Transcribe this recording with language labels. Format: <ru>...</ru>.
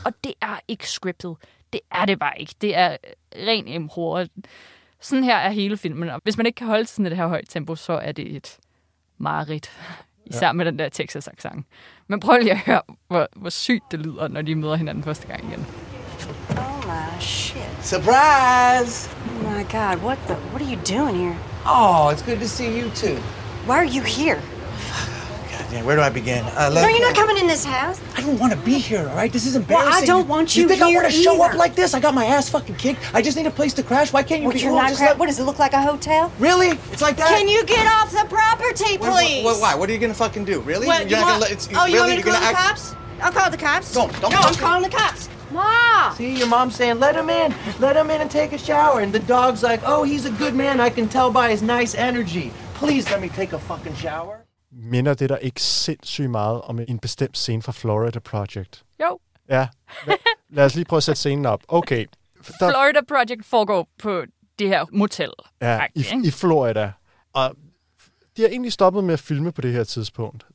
<da>Og det er ikke scriptet. Det er det bare ikke. Det er ren impro. Sådan her er hele filmen. Og hvis man ikke kan holde til sådan et her højt tempo, så er det et mareridt. Især med den der Texas-accent. Men prøv lige at høre, hvor sygt det lyder, når de møder hinanden første gang igen.</da> <en>Oh my shit. Surprise! Oh my god, what are you doing here? Oh, it's good to see you too. Why are you here? God damn, where do I begin? No, you're not coming in this house. I don't want to be here, all right? This is embarrassing. Well, I don't want you here either. You think I want to show up like this? I got my ass fucking kicked. I just need a place to crash. Why can't you be here? What, does it look like a hotel? Really? It's like that? Can you get off the property, please? Why? What are you going to fucking do? Really? You want me to call the cops? I'll call the cops. I'm calling the cops. Ma! See, your mom's saying, let him in. Let him in and take a shower. And the dog's like, oh, he's a good man. I can tell by his nice energy. Please let me take a fucking shower.</en> <da>Minder det der ikke sindssygt meget om en bestemt scene fra Florida Project? Jo. Ja. Lad os lige prøve at sætte scenen op. Okay. Florida Project foregår på det her motel. Ja, i Florida. Og de har egentlig stoppet med at filme på det her tidspunkt.</da>